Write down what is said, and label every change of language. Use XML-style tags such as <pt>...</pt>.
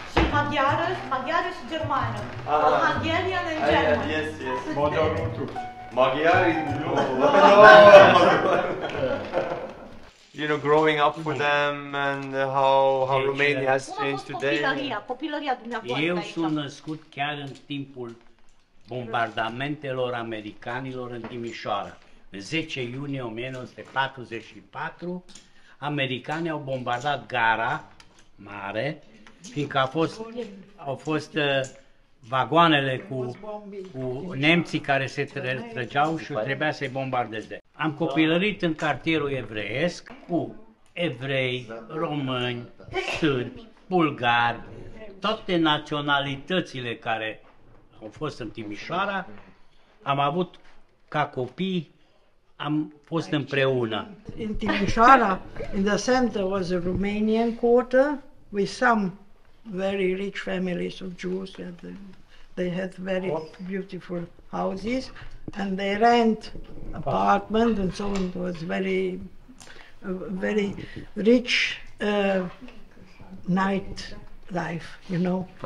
<en>Magyar is German. Hungarian and German. Yes, yes. Magyar and Turk. Magyar and Turk. You know, growing up with them and how Romania has changed today.</en> <ro>Eu sunt născut chiar în timpul bombardamentelor americanilor în Timișoara. În 10 iunie 1944, americanii au bombardat gara mare, fiindcă au fost vagoanele cu nemții care se trăgeau și trebuia să-i bombardeze. Am copilărit în cartierul evreiesc cu evrei, români, sârbi, bulgari, toate naționalitățile care au fost în Timișoara, am avut ca copii, am fost împreună.</ro> <en>In Timișoara, in the center was a Romanian quarter with some very rich families of Jews. They had very beautiful houses and they rent apartment and so on. It was very, very rich night life, you know.</en>